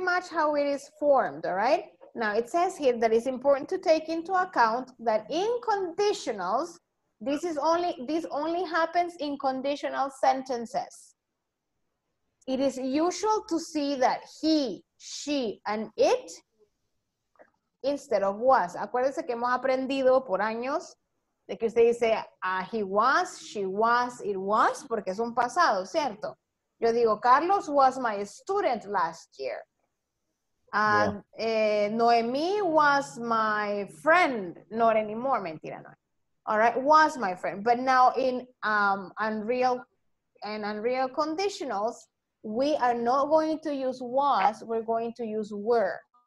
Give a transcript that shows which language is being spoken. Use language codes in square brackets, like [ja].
[en] Pretty much how it is formed, all right? Now it says here that it's important to take into account that in conditionals, This only happens in conditional sentences. It is usual to see that he, she, and it instead of was. [es] Acuérdense que hemos aprendido por años de que usted dice, [en] he was, she was, it was, [es] porque es un pasado, ¿cierto? Yo digo, [en] Carlos was my student last year. Noemi was my friend, not anymore, [es] mentira, [en] no. All right, was my friend. But now in unreal conditionals, we are not going to use was, we're going to use were.